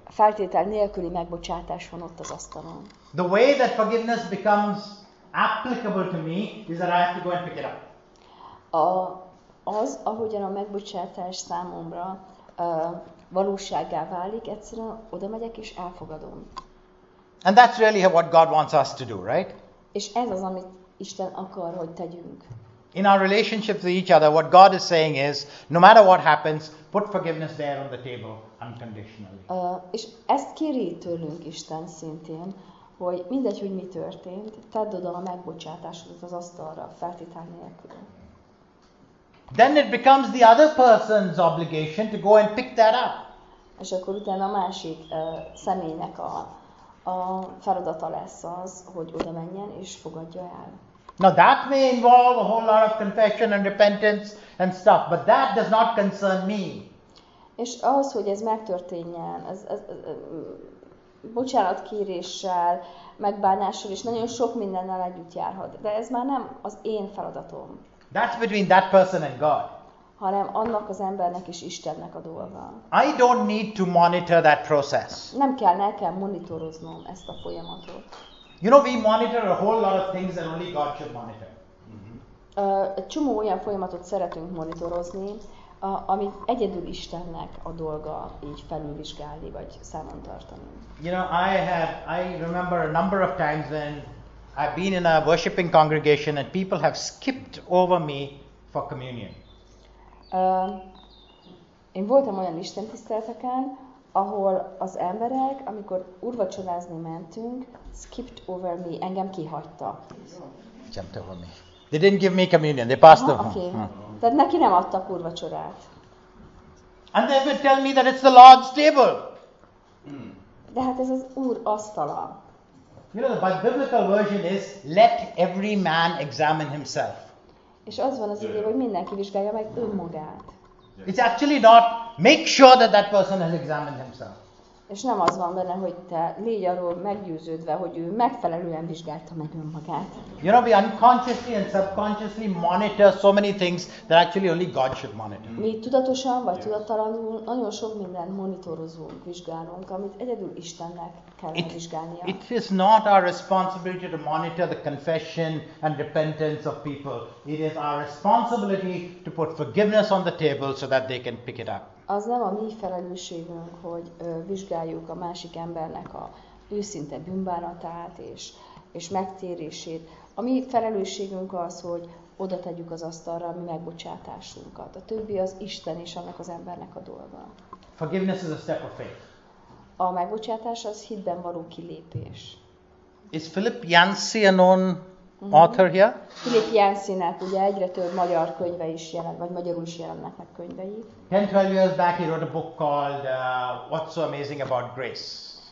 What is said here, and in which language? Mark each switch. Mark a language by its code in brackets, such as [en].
[hu] Feltétel nélküli megbocsátás van ott az asztalon. [en] The way that forgiveness becomes applicable to me is that I have to go and pick it up. [hu] Az, ahogyan a megbocsátás számomra valósággá válik, egyszerűen oda megyek és elfogadom. [en] And that's really what God wants us to do, right? [hu] És ez az, amit Isten akar, hogy tegyünk. [en] In our relationship with each other, what God is saying is, no matter what happens, put forgiveness there on the table unconditionally. [hu] És ezt kéri tőlünk Isten szintén, hogy mindegy, hogy mi történt, tedd oda a megbocsátásodat az asztalra, feltétel nélkül. [en] Then it becomes the other person's obligation to go and pick that up. [hu] És akkor utána a másik személynek a feladata lesz az, hogy oda menjen és fogadja el. [en] Now that may involve a whole lot of confession and repentance and stuff, but that does not concern me. [hu] És ahhoz, hogy ez megtörténjen, ez bocsánatkéréssel, megbánással és nagyon sok mindennel együtt járhat, de ez már nem az én feladatom. [en] That's between that person and God. [hu] Hanem annak az embernek és Istennek a dolga. [en] I don't need to monitor that process. [hu] Nem kell nekem monitoroznom ezt a folyamatot. [en] You know, we monitor a whole lot of things that only God should monitor. [hu] Egy csomó olyan folyamatot szeretünk monitorozni, ami egyedül Istennek a dolga így felülvizsgálni vagy számon tartani. [en] You know, I remember a number of times when I've been in a worshiping congregation and people have skipped over me for communion. [hu] Én voltam olyan istentiszteleteken, ahol az emberek, amikor úrvacsorázni mentünk, [en] skipped over me, [hu] engem kihagyta. [en] Jumped over me. They didn't give me communion, they passed them. Okay. [hu] Tehát neki nem adtak úrvacsorát. [en] And they would tell me that it's the Lord's table. [hu] De hát ez az Úr asztala. [en] You know, the biblical version is, let every man examine himself. [hu] És az van az idő, hogy mindenki vizsgálja meg önmagát. [en] It's actually not, make sure that that person has examined himself. [hu] És nem az van benne, hogy te légy arról meggyőződve, hogy ő megfelelően vizsgálta meg önmagát. [en] You know, we unconsciously and subconsciously monitor so many things that actually only God should monitor. [hu] Mi tudatosan vagy tudattalanul nagyon sok mindent monitorozunk, vizsgálunk, amit egyedül Istennek kell vizsgálnia. [en] It is not our responsibility to monitor the confession and repentance of people. It is our responsibility to put forgiveness on the table so that they can pick it up. [hu] Az nem a mi felelősségünk, hogy vizsgáljuk a másik embernek a őszinte bűnbánatát és megtérését. A mi felelősségünk az, hogy oda tegyük az asztalra a mi megbocsátásunkat. A többi az Isten és annak az embernek a dolga. [en] Forgiveness is a step of faith. [hu] A megbocsátás az hitben való kilépés. [en] Is Philip Yancey a known author here? [hu] Philip Yancey-nek ugye egyre több magyar könyve is jelent, vagy magyarul is jelennek meg könyvei. [en] 10-12 years back he wrote a book called What's So Amazing About Grace.